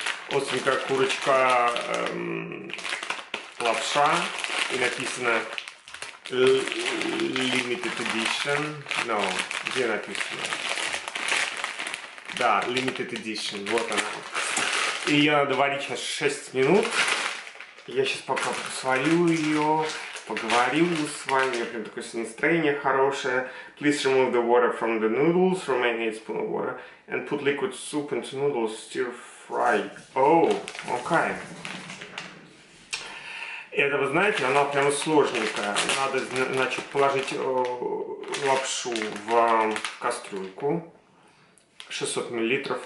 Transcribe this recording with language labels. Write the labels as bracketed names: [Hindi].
[Russian] Остренькая курочка, лапша, и написано [English] limited edition, [Russian] но где написано? Да, [English] limited edition, [Russian] вот она. И ее надо варить сейчас 6 минут. Я сейчас пока сварю ее, поговорю с вами, у меня прям такое настроение хорошее. [English] Please remove the water from the noodles, remaining 8 spoon of water, and put liquid soup into noodles, stir fry. Oh, okay. [Russian] Это, вы знаете, она прямо сложненькая. Надо, значит, положить лапшу в кастрюльку. 600 мл.